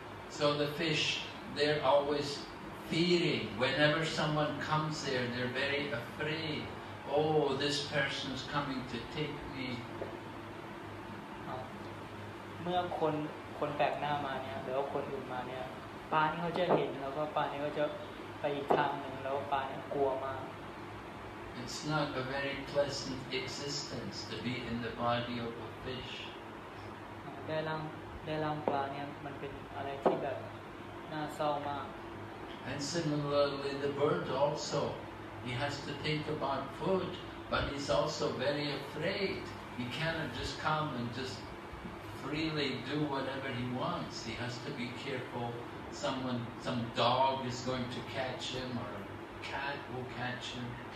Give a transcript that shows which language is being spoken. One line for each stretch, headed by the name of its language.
English: So the fish, they're always fearing. Whenever someone comes there, they're very afraid. Oh, this person's coming to take me.
Thai: เมื่อคนแปลกหน้ามาเนี่ยหรือว่าคนอื่นมาเนี่ยปลานี่เขาจะเห็นแล้วก็ปลานี่ก็จะไปอีกทางหนึ่งแล้วปลานี่กลัวมาก
English: It's not a very pleasant existence to be in the body of a fish.
Thai: ได้ร่างปลาเนี่ยมันเป็นอะไรที่แบบน่าเศร้ามาก
English: And similarly the bird also he has to think about food but he's also very afraid he cannot just come and just freely do whatever he wants he has to be careful some dog is going to catch him or a cat will catch him